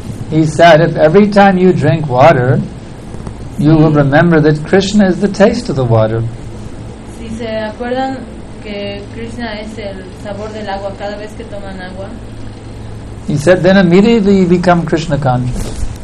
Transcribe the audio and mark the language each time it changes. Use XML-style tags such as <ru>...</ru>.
<en>He said if every time you drink water, you will remember that Krishna is the taste of the water.</en> <es>Si se acuerdan que Krishna es el sabor del agua cada vez que toman agua.</es> <en>He said then immediately you become Krishna conscious.</en>